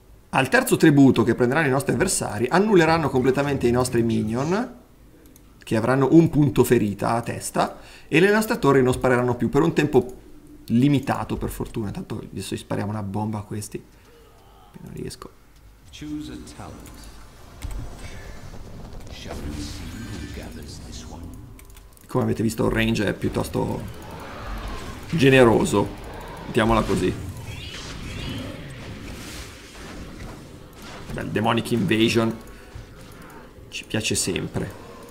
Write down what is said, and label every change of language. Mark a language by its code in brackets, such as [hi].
[it] Al terzo tributo che prenderanno i nostri avversari, annulleranno completamente i nostri minion, che avranno un punto ferita a testa, e le nostre torri non spareranno più per un tempo limitato, per fortuna. Tanto adesso gli spariamo una bomba a questi. Non riesco. [en] Choose a talent. Shall we see who gathers this one? [it] Come avete visto, il range è piuttosto generoso. Mettiamola così. Beh, Demonic Invasion ci piace sempre.